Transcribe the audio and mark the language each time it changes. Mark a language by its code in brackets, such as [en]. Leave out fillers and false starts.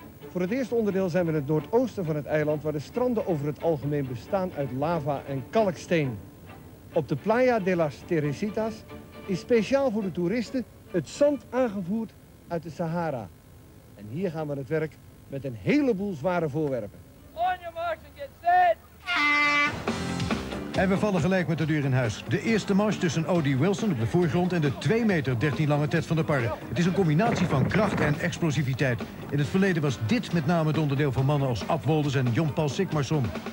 [nl] Voor het eerste onderdeel zijn we in het noordoosten van het eiland, waar de stranden over het algemeen bestaan uit lava en kalksteen. Op de Playa de las Teresitas is speciaal voor de toeristen het zand aangevoerd uit de Sahara. En hier gaan we aan het werk met een heleboel zware voorwerpen. [en] On your march and get set! [nl] En we vallen gelijk met de deur in huis. De eerste mars tussen Odie Wilson op de voorgrond en de 2 meter 13 lange Ted van der Parre. Het is een combinatie van kracht en explosiviteit. In het verleden was dit met name het onderdeel van mannen als Ab Wolders en Jon-Paul Sigmarsson.